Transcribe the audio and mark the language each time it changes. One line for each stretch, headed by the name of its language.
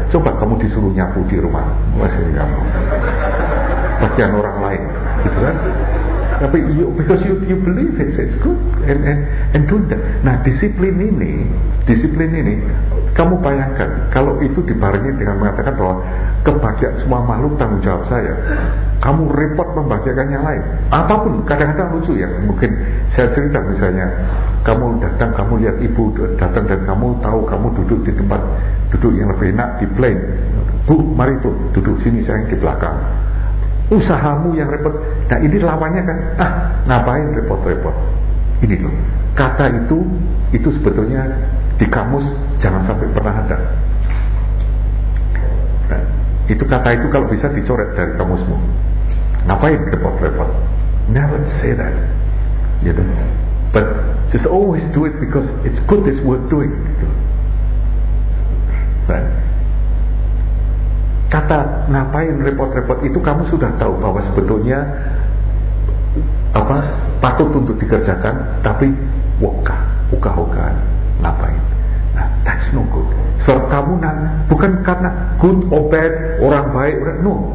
Indonesian: Coba kamu disuruh nyapu di rumah, masih nyapu. Bagian orang lain, gitu kan?
English: Tapi because you believe it's good and do that.
Indonesian: Nah, disiplin ini, kamu bayangkan kalau itu dibarengi dengan mengatakan bahwa kebahagiaan semua makhluk tanggung jawab saya. Kamu repot membahagiakan yang lain. Apapun, kadang-kadang lucu ya. Mungkin saya cerita misalnya, kamu datang, kamu lihat ibu datang dan kamu tahu kamu duduk di tempat duduk yang lebih enak di plane. Bu, mari tuh duduk sini saya di belakang. Usahamu yang repot. Nah, ini lawannya kan? Ah, ngapain repot-repot? Ini loh. Kata itu sebetulnya di kamus jangan sampai pernah ada. Itu kata itu kalau bisa dicoret dari kamusmu. Ngapain repot-repot?
English: Never say that, you know. But just always do it because it's good, it's worth doing.
Indonesian: Gitu.
English: Right?
Indonesian: Kata ngapain repot-repot itu kamu sudah tahu bahwa sebetulnya apa patut untuk dikerjakan, tapi wokah, ukah-ukahan, ngapain? Nah,
English: that's no good.
Indonesian: Sebab kamu nanti, bukan karena
English: good or bad,
Indonesian: orang baik, orang no.